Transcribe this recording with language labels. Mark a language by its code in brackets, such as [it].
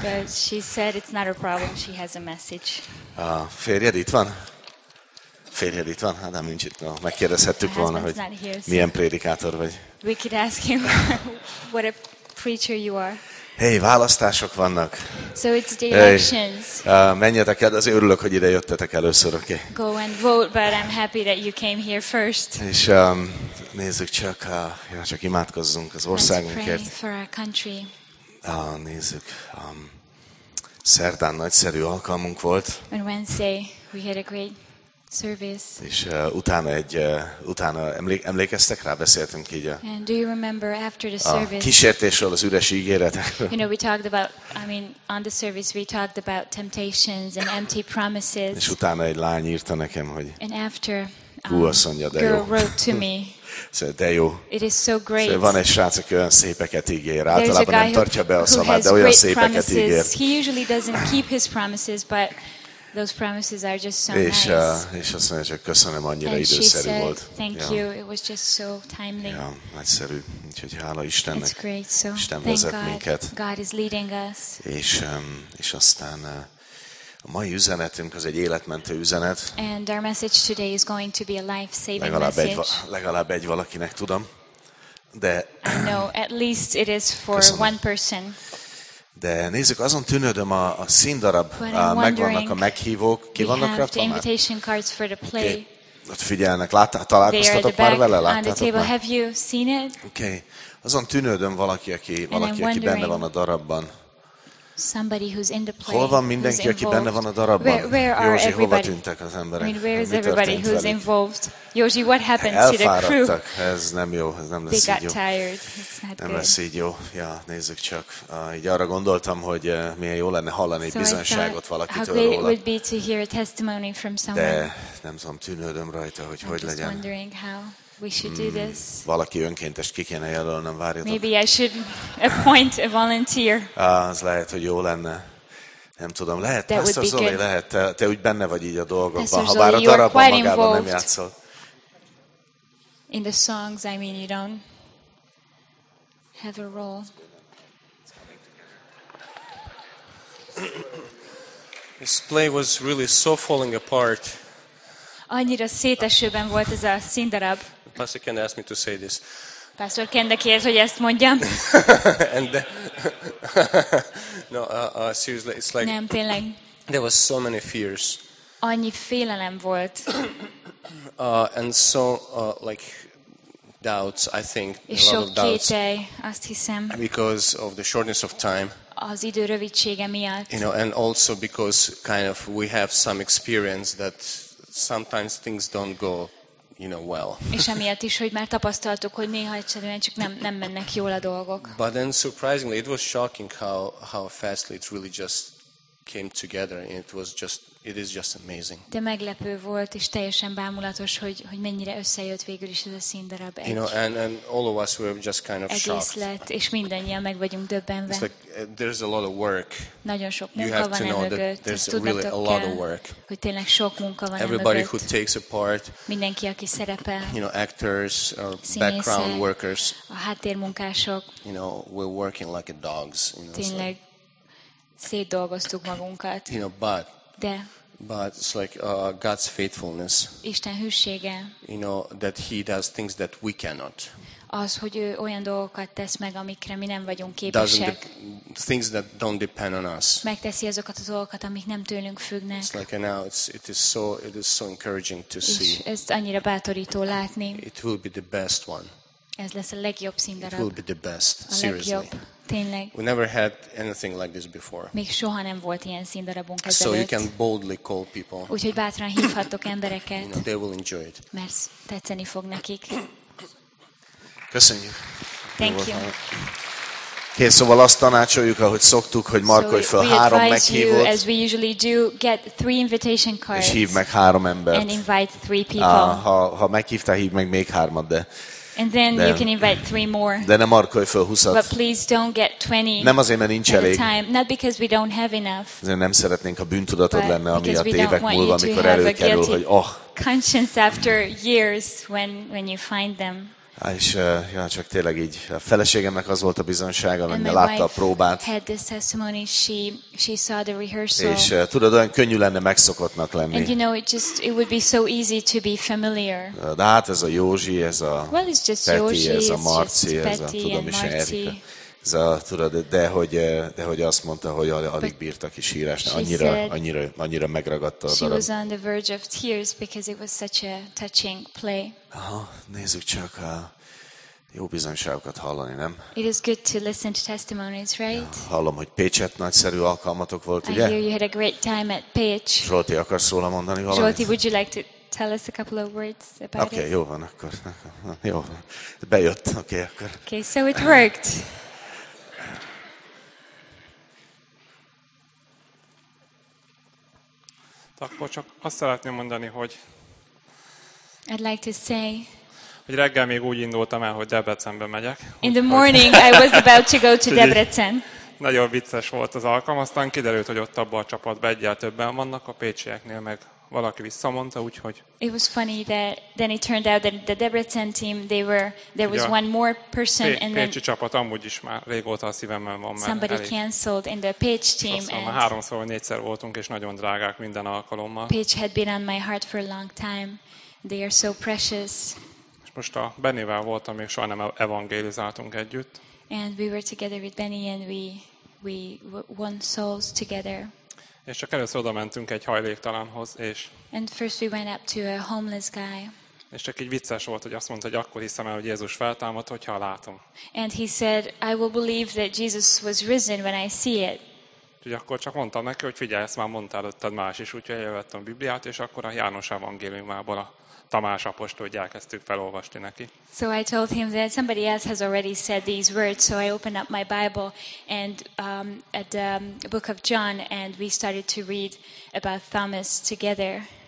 [en] But she said it's not a problem, she has a message. [hu] A férjed itt van? Férjed itt van? Hát nem, nincs itt. No, megkérdezhettük volna, hogy milyen prédikátor vagy. [en] We could ask him what a preacher you are. [hu] Hey, választások vannak. [en] So it's the elections. [hu] Menjetek el, azért örülök, hogy ide jöttetek először, oké? [en] Okay? Go and vote, but I'm happy that you came here first. [hu] És nézzük csak, csak imádkozzunk az országunkért. [en] Let's pray for our country. [hu] Nézzük. Szerdán nagyszerű alkalmunk volt. [en] On Wednesday we had a great service. [hu] És utána emlékeztek rá, beszéltünk így. [en] And do you remember after the service? [hu] A kísértésről, az üres ígéretekről. [en] You know, we talked about, I mean, on the service we talked about temptations and empty promises. [hu] És utána egy lány írta nekem, hogy. [en] And after. [hu] Hú, azt mondja, de [en] girl wrote to me. [hu] De jó. [en] It is so great. [hu] Van egy srác, aki olyan szépeket ígér. Általában nem tartja be a szavát, de olyan szépeket ígér. [en] He usually doesn't keep his promises, but those promises are just so nice. [hu] És azt mondja, csak köszönöm, annyira időszerű volt. [en] Thank you. It was just so timely. [hu] Ja, nagyszerű. Úgyhogy hála Istennek. [en] It's great. So [hu] Isten vezet minket. [en] God is leading us. [hu] És aztán a mai üzenetünk az egy életmentő üzenet. [en] And our message today is going to be a life-saving [hu] legalább [en] message. [hu] Legalább egy valakinek tudom. De [en] no, at least it is for [hu] köszönöm. [en] One person. [hu] De nézzük, azon tűnődöm a színdarab, megvannak a meghívók, ki vannak rajta már? [en] Invitation cards for the play. Okay. [hu] Ott figyelnek, találkoztatok már vele? Láttátok már? Oké, okay. Azon tűnődöm valaki, aki benne van a darabban. [en] Somebody who's in the play. [hu] Hol van mindenki, aki benne van a darabban? [en] Where [hu] Józsi, hova tűntek az emberek? [en] I mean, where is everybody who's involved? Józsi, what happened [hu] elfáradtak. [en] To the crew? [hu] Ez nem jó, ez nem lesz [en] they [hu] így jó. [en] They got tired. It's not [hu] nem [en] good. [hu] Lesz így jó. Ja, nézzük csak. Így arra gondoltam, hogy milyen jó lenne hallani egy bizonyságot valakitől róla. [en] So I thought how great it would be to hear a testimony from someone. [hu] De nem tudom, tűnődöm rajta, hogy [en] I'm [hu] hogy legyen. [en] I'm just wondering how. We should do this. [hu] Valaki önkéntes ki kéne jelölnöm, várjatok. [en] Maybe I should appoint a volunteer. [hu] Az lehet, hogy jó lenne. Nem tudom, lehet. Pastor Zoli, lehet. Te úgy benne vagy így a dolgokban, ha bár a darabban magában nem játszol. [en] In the songs, I mean, you don't have a role. This play was really so falling apart. [hu] Annyira szétesőben volt ez a színdarab. [en] Pastor Ken asked me to say this. [hu] Pastor Ken de kérd, hogy ezt mondjam. [en] And no, seriously, it's like [hu] nem, tényleg. [en] There was so many fears. [hu] Annyi félelem volt. [en] And so doubts, I think, [hu] és [en] a lot of doubts. [hu] Kétel, azt hiszem. [en] Because of the shortness of time. [hu] Az idő rövidsége miatt. [en] You know, and also because kind of we have some experience that sometimes things don't go. You know well. [hu] És emiatt is, hogy már tapasztaltuk, hogy néha egyszerűen csak nem mennek jól a dolgok. [en] But then surprisingly, it was shocking how fastly it really just came together, and it is just amazing. [hu] De meglepő volt és teljesen bámulatos, hogy mennyire összejött végül is ez a színdarab. [en] You know, and all of us were just kind of [hu] egész [en] shocked. [hu] Egész lett, és mindannyian meg vagyunk döbbenve. [en] It's like there's a lot of work. [hu] Nagyon sok munka [en] you have [hu] van [en] to know [hu] emögött. [en] That there's really a lot of work. [hu] Hogy tényleg sok munka van [en] everybody [hu] emögött. [en] Who takes a part. [hu] Mindenki, aki szerepel. [en] You know, actors or background workers. [hu] A háttérmunkások. [en] You know, we're working like a dogs. You know, [hu] tényleg szétdolgoztuk magunkat. [en] You know, but [hu] de. [en] But it's like God's faithfulness. [hu] Isten hűsége. [en] You know that he does things that we cannot. [hu] Az, hogy ő olyan dolgokat tesz meg, amikre mi nem vagyunk képesek. [en] Things that don't depend on us. [hu] Megteszi azokat a dolgokat, amik nem tőlünk függnek. [en] It's like now it is so encouraging to see. [hu] És ezt annyira bátorító látni. [en] It will be the best one. [hu] Ez lesz a legjobb színdarab. [en] It will be the best, [hu] a [en] seriously. [hu] Legjobb. Tényleg. [en] We never had anything like this before. [hu] Még soha nem volt ilyen színdarabunk ezelőtt. [en] So you can boldly call people. [hu] Úgyhogy bátran hívhattok embereket. [en] You know, they will enjoy it. [hu] Mert tetszeni fog nekik. Köszönjük. [en] Thank you. [hu] Okay, szóval azt tanácsoljuk, ahogy szoktuk, hogy markolj fel három meghívót. [en] As we usually do, get three invitation cards. [hu] És hívd meg három embert. [en] And invite three people. [hu] Ha meghívtál, hívd meg még hármat, de. [en] And then you can invite three more. [hu] De ne markolj föl 20-at. [en] But please don't get 20. [hu] Nem azért, mert nincs elég. [en] Not because we don't have enough. [hu] Azért nem szeretnénk, ha bűntudatod lenne, amiatt évek múlva, amikor előkerül, hogy [en] conscience after years when you find them. [hu] És ja, csak tényleg így a feleségemnek az volt a bizonsága, mert látta a próbát. [en] She saw the rehearsal. [hu] És tudod, olyan könnyű lenne megszokottnak lenni. [en] And you know, it would be so easy to be familiar. [hu] De hát ez a Józsi, ez a [en] well, it's just Peti, Józsi, [hu] ez a Marci, [en] just [hu] ez a tudom is Erika. Ez a, tudod, de hogy azt mondta, hogy alig bírta kis hírásra, annyira megragadta a darab. [en] She was on the verge of tears because it was such a touching play. [hu] Aha, nézzük csak, jó bizonyságokat hallani, nem? [en] It is good to listen to testimonies, right? [hu] Ja, hallom, hogy Pécset nagyszerű alkalmatok volt, ugye? [en] I hear you had a great time at Pécs. [hu] Zsolti, akarsz róla mondani valamit? [en] Zsolti, would you like to tell us a couple of words about [hu] it? Okay, jó van akkor. Jó, bejött, okay, akkor. [en] Okay, so it worked. [hu] Akkor csak azt szeretném mondani, hogy [en] I'd like to say, [hu] hogy reggel még úgy indultam el, hogy Debrecenbe megyek. [en] In the morning I was about to go to Debrecen. [hu] Nagyon vicces volt az alkalom, aztán kiderült, hogy ott abban a csapatban egyel többen vannak a pécsieknél, meg valaki visszamondta, úgyhogy [en] it was funny that then it turned out that the Debrecen team there was one more person and then [hu] Pécsi csapat amúgy is már régóta a szívemben van, mert [en] somebody cancelled in the Pécs team. [hu] Már háromszor vagy négyszer voltunk és nagyon drágák minden alkalommal. [en] Pécs had been on my heart for a long time. They are so precious. [hu] És most a Bennyvel voltam, még soha nem evangelizáltunk együtt. [en] And we were together with Benny and we won souls together. [hu] És csak először oda mentünk egy hajléktalanhoz, és [en] and first we went up to a homeless guy. [hu] És csak egy vicces volt, hogy azt mondta, hogy akkor hiszem el, hogy Jézus feltámadt, hogyha látom. [en] And he said, I will believe that Jesus was risen when I see it. [hu] Úgyhogy akkor csak mondtam neki, hogy figyelj, ezt már mondta előtted más is, úgyhogy elővettem a Bibliát, és akkor a János evangéliumából a Tamás apostolt elkezdtük felolvasni neki. [en] So I told him that somebody else has already said these words, so I opened up my Bible and at the book of John and we started to read about Thomas together.